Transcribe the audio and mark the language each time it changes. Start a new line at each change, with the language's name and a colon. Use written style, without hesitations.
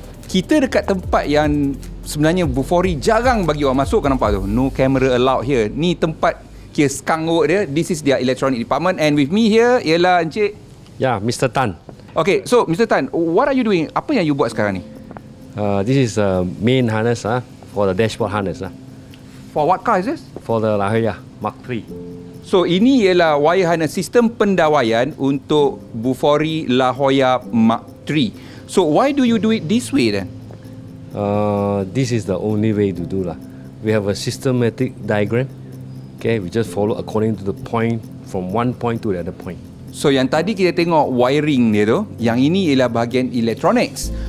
Malay: Kita dekat tempat yang sebenarnya Bufori jarang bagi orang masuk, kan nampak tu?
English: No camera allowed here.
Malay: Ni tempat kes skangok dia,
English: this is their electronic department, and with me here
Malay: ialah Encik.
English: Ya, yeah, Mr. Tan. Okay, so Mr. Tan, what are you doing?
Malay: Apa yang you buat sekarang ni?
English: This is the main harness for the dashboard harness. For what car is this? For the Lahaya, Mark 3.
Malay: So ini ialah wire harness system pendawaian untuk Bufori Lahaya Mark 3.
English: So why do you do it this way then? This is the only way to do lah. We have a systematic diagram. Okay, we just follow according to the point, from one point to the other point.
Malay: So yang tadi kita tengok wiring dia tu, yang ini ialah bahagian electronics.